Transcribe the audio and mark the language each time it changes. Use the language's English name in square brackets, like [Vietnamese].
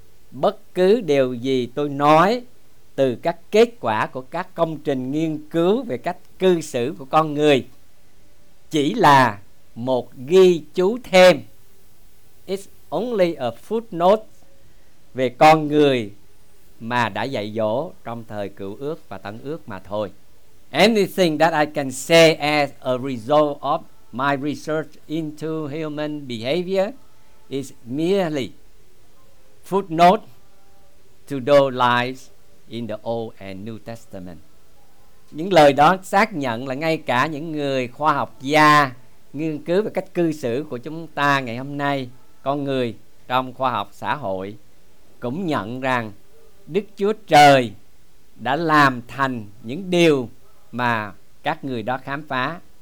[Vietnamese] Bất cứ điều gì tôi nói từ các kết quả của các công trình nghiên cứu về cách cư xử của con người chỉ là một ghi chú thêm, [English] it's only a footnote, [Vietnamese] về con người mà đã dạy dỗ trong thời Cựu Ước và Tân Ước mà thôi. [English] Anything that I can say as a result of my research into human behavior is merely footnote to those lies in the Old and New Testament. [Vietnamese] Những lời đó xác nhận là ngay cả những người khoa học gia nghiên cứu về cách cư xử của chúng ta ngày hôm nay, con người trong khoa học xã hội, cũng nhận rằng Đức Chúa Trời đã làm thành những điều mà các người đó khám phá.